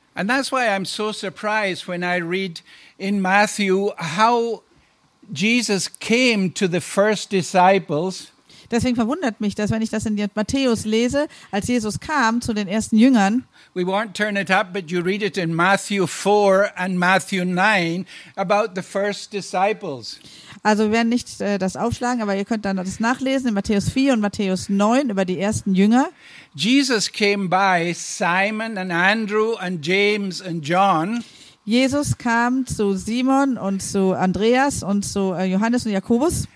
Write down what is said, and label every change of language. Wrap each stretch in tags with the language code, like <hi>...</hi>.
<en>And that's why I'm so surprised when I read in Matthew how Jesus came to the first disciples.</en> <de>Deswegen verwundert mich, dass wenn ich das in Matthäus lese, als Jesus kam zu den ersten Jüngern.</de> <en>We won't turn it up, but you read it in Matthew 4 and Matthew 9 about the first disciples.</en> <de>Also wir werden nicht das aufschlagen, aber ihr könnt dann das nachlesen in Matthäus 4 und Matthäus 9 über die ersten Jünger.</de> <en>Jesus came by Simon and Andrew and James and John.</en> <de>Jesus kam zu Simon und zu Andreas und zu Johannes und Jakobus.</de>